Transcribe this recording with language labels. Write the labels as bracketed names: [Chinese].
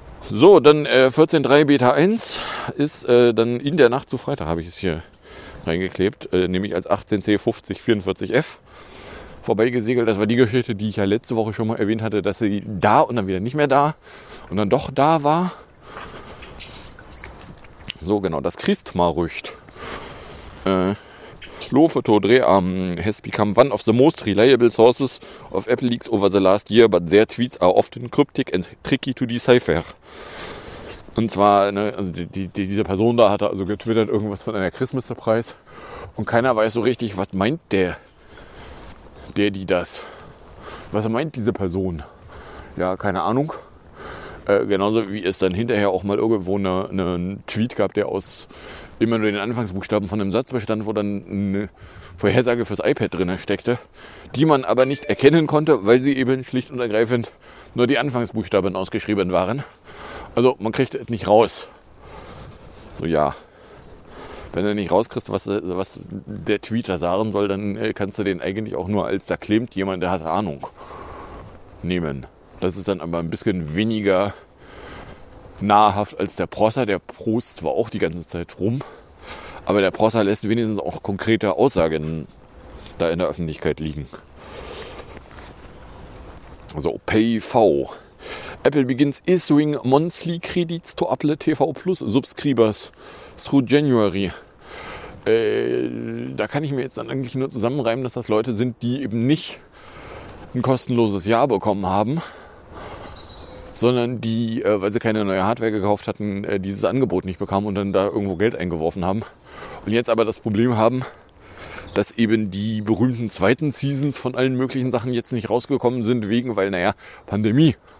[German] So, dann 14.3 Beta 1 ist dann in der Nacht zu Freitag, habe ich es hier reingeklebt, nämlich als 18C50 44F. vorbeigesegelt. Das war die Geschichte, die ich ja letzte Woche schon mal erwähnt hatte, dass sie da und dann wieder nicht mehr da und dann doch da war. So, genau, das Christmarücht. [English] Lofoto Dreham has become one of the most reliable sources of Apple leaks over the last year, but their tweets are often cryptic and tricky to decipher. [German] Und zwar, ne, also diese Person da hatte also getwittert irgendwas von einer Christmas Surprise und keiner weiß so richtig, was meint der, die das. Was meint diese Person? Ja, keine Ahnung. Genauso wie es dann hinterher auch mal irgendwo einen Tweet gab, der aus immer nur den Anfangsbuchstaben von einem Satz bestand, wo dann eine Vorhersage fürs iPad drin steckte, die man aber nicht erkennen konnte, weil sie eben schlicht und ergreifend nur die Anfangsbuchstaben ausgeschrieben waren. Also man kriegt es nicht raus. So, ja. Wenn du nicht rauskriegst, was der Tweeter sagen soll, dann kannst du den eigentlich auch nur als da klemmt jemand, der hat Ahnung, nehmen. Das ist dann aber ein bisschen weniger nahrhaft als der Prosser. Der prost zwar auch die ganze Zeit rum, aber der Prosser lässt wenigstens auch konkrete Aussagen da in der Öffentlichkeit liegen. So, PayV. [English] Apple begins issuing monthly credits to Apple TV Plus Subscribers through January. [German] Da kann ich mir jetzt dann eigentlich nur zusammenreimen, dass das Leute sind, die eben nicht ein kostenloses Jahr bekommen haben, sondern die, weil sie keine neue Hardware gekauft hatten, dieses Angebot nicht bekamen und dann da irgendwo Geld eingeworfen haben. Und jetzt aber das Problem haben, dass eben die berühmten zweiten Seasons von allen möglichen Sachen jetzt nicht rausgekommen sind, weil Pandemie.